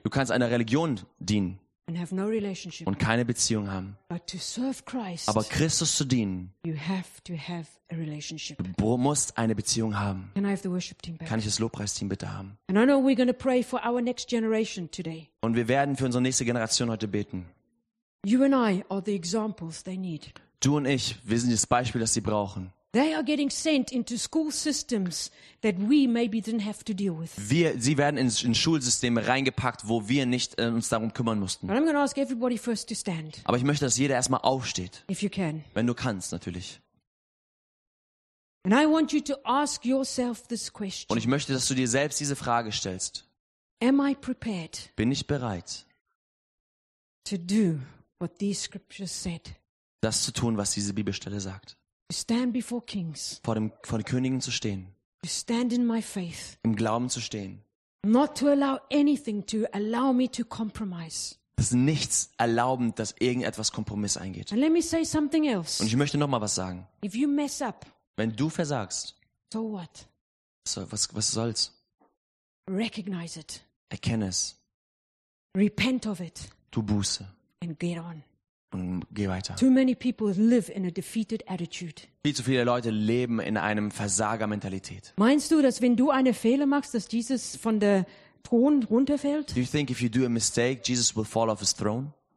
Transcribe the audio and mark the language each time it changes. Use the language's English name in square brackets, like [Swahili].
[German] du kannst einer Religion dienen [English] and have no relationship [German] und keine Beziehung haben. [English] But to serve Christ, [German] aber Christus zu dienen, [English] you have to have a relationship. [German] Du musst eine Beziehung haben. [English] Can I have the worship team back? [German] Kann ich das Lobpreisteam bitte haben? [English] And I know we're going to pray for our next generation today. [German] Und wir werden für unsere nächste Generation heute beten. [English] You and I are the examples they need. [German] Du und ich, wir sind das Beispiel, das sie brauchen. [English] They are getting sent into school systems that we maybe didn't have to deal with. [German] Sie werden in Schulsysteme reingepackt, wo wir nicht uns darum kümmern mussten. [English] But I'm going to ask everybody first to stand. [German] Aber ich möchte, dass jeder erstmal aufsteht. [English] If you can. [German] Wenn du kannst, natürlich. [English] And I want you to ask yourself this question. [German] Und ich möchte, dass du dir selbst diese Frage stellst. [English] Am I prepared? [German] Bin ich bereit? [English] To do what these scriptures said. [German] Das zu tun, was diese Bibelstelle sagt. [English] Stand before kings. [German] Vor den Königen zu stehen. [English] Stand in my faith. [German] Im Glauben zu stehen. [English] Not to allow anything to allow me to compromise. [German] Dass nichts erlauben, dass irgendetwas Kompromiss eingeht. [English] And let me say something else. [German] Und ich möchte noch mal was sagen. [English] If you mess up, [German] wenn du versagst, [English] so what? [German] So, was soll's? [English] Recognize it. [German] Erkenne es. [English] Repent of it. [German] Tu Buße. [English] And get on. [German] Und geh weiter. [English] Too many people live in a defeated attitude. [German] Viel zu viele Leute leben in einem Versagermentalität. Meinst du, dass wenn du eine Fehler machst, dass Jesus von der Thron runterfällt? [English] Do you think if you do a mistake, Jesus will fall off his throne?